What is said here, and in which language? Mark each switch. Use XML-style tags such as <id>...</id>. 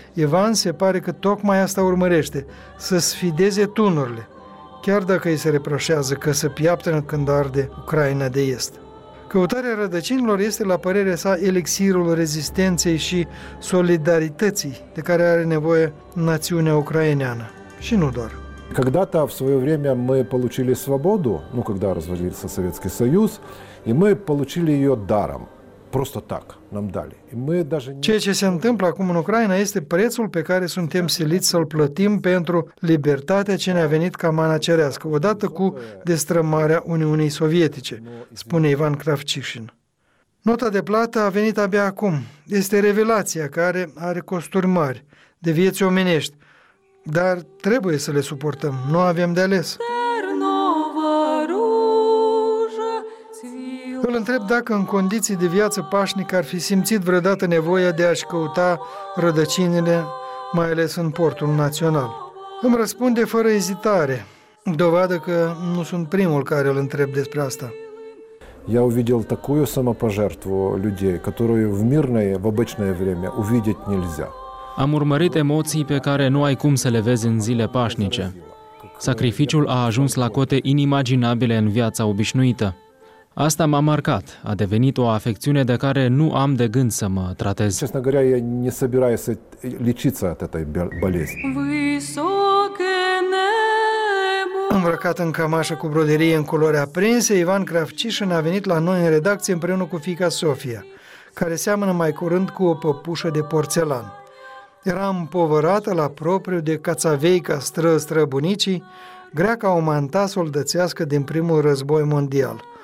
<ro>Ivan se pare că tocmai asta urmărește, să sfideze tunurile, chiar dacă îi se reproșează că se piaptănă când arde Ucraina de Est. Căutarea rădăcinilor este, la părerea sa, elixirul rezistenței și solidarității de care are nevoie națiunea ucraineană. Și nu doar.</ro> <ru>Когда-то, в свое время, мы получили свободу, ну, когда развалился Советский Союз, и мы получили ее даром. Просто так нам дали. И мы даже...</ru> <ro>Ceea ce se întâmplă acum în Ucraina este prețul pe care suntem siliți să-l plătim pentru libertatea ce ne-a venit ca mana cerească, odată cu destrămarea Uniunii Sovietice, spune Ivan Kravchishin. Nota de plată a venit abia acum. Este revelația care are costuri mari de vieți omenești, dar trebuie să le suportăm, nu avem de ales. Îl întreb dacă în condiții de viață pașnică ar fi simțit vreodată nevoia de a-și căuta rădăcinile, mai ales în portul național. Îmi răspunde fără ezitare, dovadă că nu sunt primul care îl întreb despre asta.</ro> <ru>Я увидел такую самопожертву людей, которую в мирное, в обычное время увидеть нельзя.</ru> <ro>Am urmărit emoții pe care nu ai cum să le vezi în zile pașnice. Sacrificiul a ajuns la cote inimaginabile în viața obișnuită. Asta m-a marcat, a devenit o afecțiune de care nu am de gând să mă tratez.</ro> <ru>Честно говоря, я не собираюсь să лечиться от этой болезни.</ru> <ro>Îmbrăcat în cămașă cu broderie în culori aprinse, Ivan Kravchishin a venit la noi în redacție împreună cu fiica Sofia, care seamănă mai curând cu o păpușă de porțelan. Era împovărată la propriu de cațaveica străbunicii, grea ca o manta soldățească din Primul Război Mondial.</ro>